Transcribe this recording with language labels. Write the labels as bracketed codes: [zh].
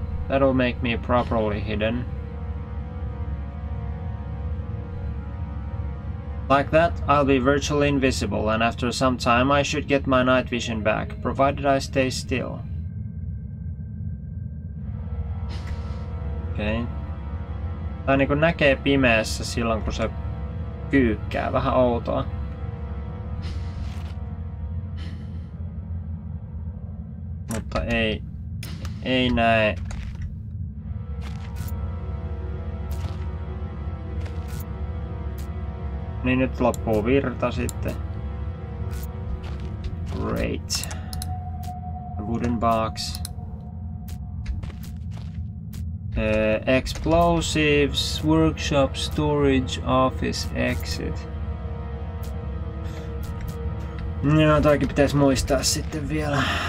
[en] That'll make me properly hidden. Like that, I'll be virtually invisible, and after some time I should get my night vision back, provided I stay still. [fi] Okei. [en] Okay. [fi] Tai niinku näkee pimeässä silloin, kun se kyykkää. Vähän outoa. Mutta ei näe. Niin nyt loppuu virta sitten. [en] Great. A wooden box. Explosives, workshop, storage, office, exit. [fi] No, toikin pitäis muistaa sitten vielä.